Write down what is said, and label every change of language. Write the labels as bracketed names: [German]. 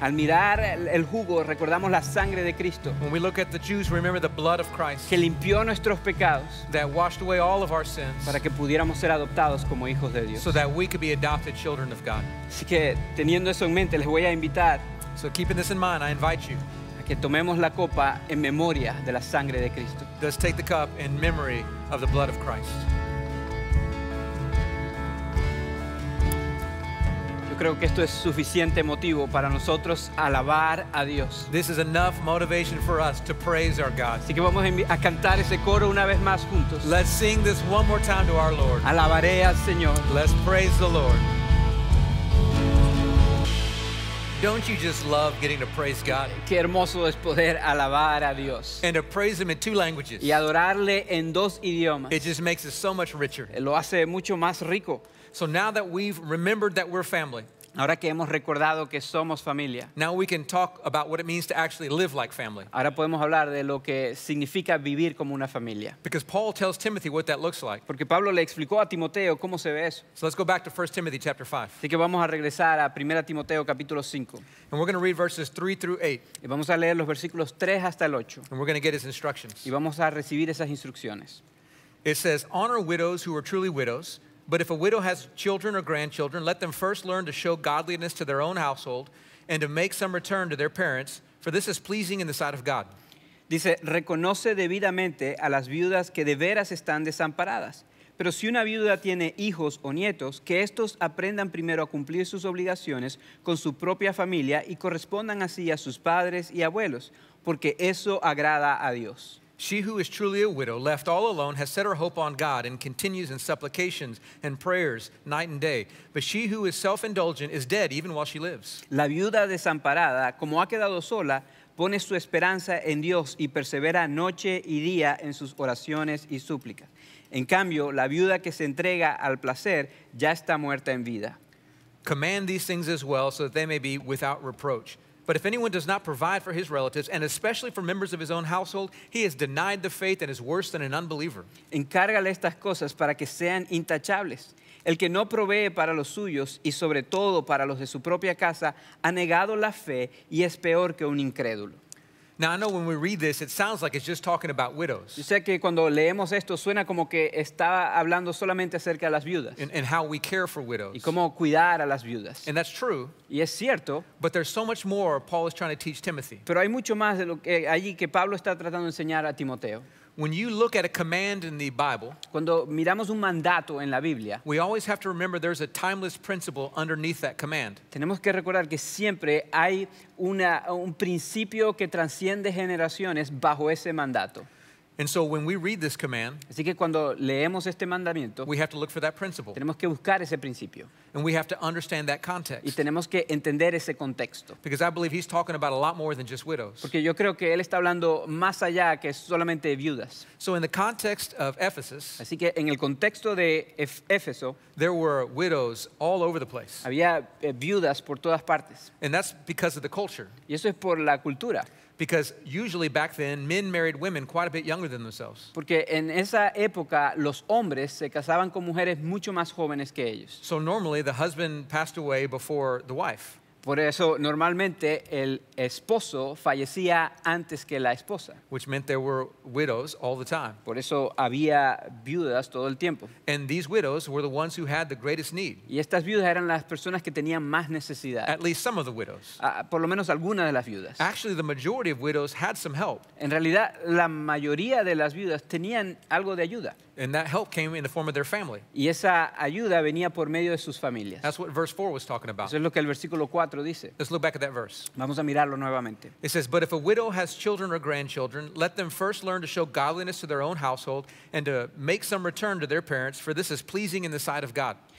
[Spanish] Al mirar el jugo, recordamos la sangre de Cristo. [English] When we look at the juice, remember the blood of Christ. [Spanish] Que limpió nuestros pecados. [English] That washed away all of our sins. [Spanish] Para que pudiéramos ser adoptados como hijos de Dios. [English] So that we could be adopted children of God. [Spanish] Así que teniendo eso en mente, les voy a invitar. [English] So keeping this in mind, I invite you. [Spanish] A que tomemos la copa en memoria de la sangre de Cristo. [English] Let's take the cup in memory of the blood of Christ. [Spanish] Creo que esto es suficiente motivo para nosotros alabar a Dios. [English] This is enough motivation for us to praise our God. [Spanish] Así que vamos a cantar ese coro una vez más juntos. [English] Let's sing this one more time to our Lord. [Spanish] Alabaré al Señor. [English] Let's praise the Lord. Don't you just love getting to praise God? [Spanish] Qué hermoso es poder alabar a Dios. [English] And to praise Him in two languages. [Spanish] Y adorarle en dos idiomas. [English] It just makes it so much richer. [Spanish] Lo hace mucho más rico. [English] So now that we've remembered that we're family, [Spanish] Ahora que hemos recordado que somos familia. [English] Now we can talk about what it means to actually live like family. [Spanish] Ahora podemos hablar de lo que significa vivir como una familia. [English] Because Paul tells Timothy what that looks like. [Spanish] Porque Pablo le explicó a Timoteo cómo se ve eso. [English] So let's go back to 1 Timothy chapter 5. [Spanish] Así que vamos a regresar a 1 Timoteo capítulo 5. [English] And we're going to read verses 3 through 8. [Spanish] Y vamos a leer los versículos 3 hasta el 8. [English] And we're going to get his instructions. [Spanish] Y vamos a recibir esas instrucciones. [English] It says, honor widows who are truly widows. But if a widow has children or grandchildren, let them first learn to show godliness to their own household and to make some return to their parents, for this is pleasing in the sight of God. [Spanish] Dice, reconoce debidamente a las viudas que de veras están desamparadas. Pero si una viuda tiene hijos o nietos, que estos aprendan primero a cumplir sus obligaciones con su propia familia y correspondan así a sus padres y abuelos, porque eso agrada a Dios. [English] She who is truly a widow, left all alone, has set her hope on God and continues in supplications and prayers night and day. But she who is self-indulgent is dead even while she lives. [Spanish] La viuda desamparada, como ha quedado sola, pone su esperanza en Dios y persevera noche y día en sus oraciones y súplicas. En cambio, la viuda que se entrega al placer ya está muerta en vida. [English] Command these things as well so that they may be without reproach. But if anyone does not provide for his relatives, and especially for members of his own household, he is denied the faith and is worse than an unbeliever. [Spanish] Encárgale estas cosas para que sean intachables. El que no provee para los suyos, y sobre todo para los de su propia casa, ha negado la fe y es peor que un incrédulo. [English] Now, I know when we read this, it sounds like it's just talking about widows. [Spanish] Yo sé que cuando leemos esto, suena como que estaba hablando solamente acerca de las viudas. [English] And how we care for widows. [Spanish] Y cómo cuidar a las viudas. [English] And that's true. [Spanish] Y es cierto. [English] But there's so much more Paul is trying to teach Timothy. [Spanish] Pero hay mucho más de lo que allí que Pablo está tratando de enseñar a Timoteo. [English] When you look at a command in the Bible, [Spanish] cuando miramos un mandato en la Biblia, [English] we always have to remember there's a timeless principle underneath that command. [Spanish] Tenemos que recordar que siempre hay un principio que trasciende generaciones bajo ese mandato. [English] And so when we read this command, [Spanish] así que cuando leemos este mandamiento, [English] we have to look for that principle. [Spanish] Tenemos que buscar ese principio. [English] And we have to understand that context. [Spanish] Y tenemos que entender ese contexto. [English] Because I believe he's talking about a lot more than just widows. [Spanish] Porque yo creo que él está hablando más allá que solamente viudas. [English] So in the context of Ephesus, [Spanish] así que en el contexto de Éfeso, [English] there were widows all over the place. [Spanish] Había viudas por todas partes. [English] And that's because of the culture. [Spanish] Y eso es por la cultura. [English] Because usually back then, men married women quite a bit younger than themselves. [Spanish] Porque en esa época, los hombres se casaban con mujeres mucho más jóvenes que ellos. [English] So normally, the husband passed away before the wife. [Spanish] Por eso, normalmente, el esposo fallecía antes que la esposa. [English] Which meant there were widows all the time. [Spanish] Por eso, había viudas todo el tiempo. [English] And these widows were the ones who had the greatest need. [Spanish] Y estas viudas eran las personas que tenían más necesidad. [English] At least some of the widows. [Spanish] Por lo menos algunas de las viudas. [English] Actually, the majority of widows had some help. [Spanish] En realidad, la mayoría de las viudas tenían algo de ayuda. [English] And that help came in the form of their family. [Spanish] Y esa ayuda venía por medio de sus familias. [English] That's what verse 4 was talking about. [Spanish] Eso es lo que el versículo 4 dice. [English] Let's look back at that verse. [Spanish] Vamos a mirarlo nuevamente. [English] It says, but if a widow has children or grandchildren, let them first learn to show godliness to their own household and to make some return to their parents, for this is pleasing in the sight of God.